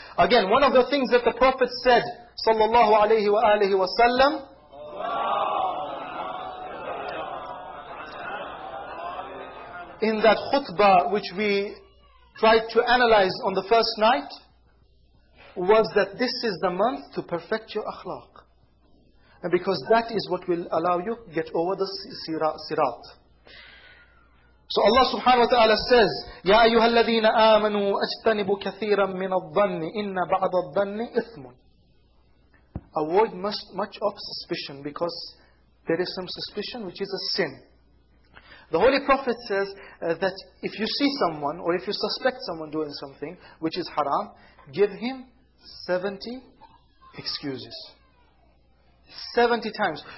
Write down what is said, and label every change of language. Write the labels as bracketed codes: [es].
[en] Again, one of the things that the Prophet said, sallallahu alayhi wa alihi wa sallam, in that khutbah which we tried to analyze on the first night, was that this is the month to perfect your akhlaq. And because that is what will allow you to get over the sirat. So Allah subhanahu wa ta'ala says, [ar] يَا أَيُّهَا الَّذِينَ آمَنُوا أَجْتَنِبُوا كَثِيرًا مِّنَ الظَّنِّ إِنَّ بَعْضَ الظَّنِّ إِثْمٌ. [en] Avoid much of suspicion, because there is some suspicion which is a sin. The Holy Prophet says that if you see someone, or if you suspect someone doing something which is haram, give him 70 excuses. 70 times.